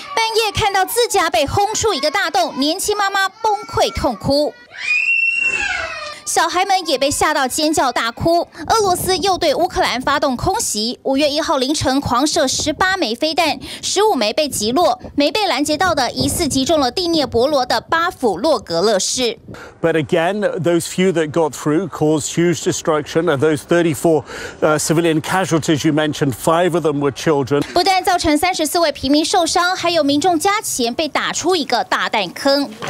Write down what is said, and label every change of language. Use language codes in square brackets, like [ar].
[zh] 半夜看到自家被轰出一个大洞，年轻妈妈崩溃痛哭，小孩们也被吓到尖叫大哭。俄罗斯又对乌克兰发动空袭，五月一号凌晨狂射18枚飞弹，15枚被击落，没被拦截到的疑似击中了第聂伯罗的巴甫洛格勒市。 [en] But again, those few that got through caused huge destruction, and those 34 civilian casualties you mentioned, 5 of them were children. [zh] 不但造成34位平民受伤，还有民众家禽被打出一个大弹坑。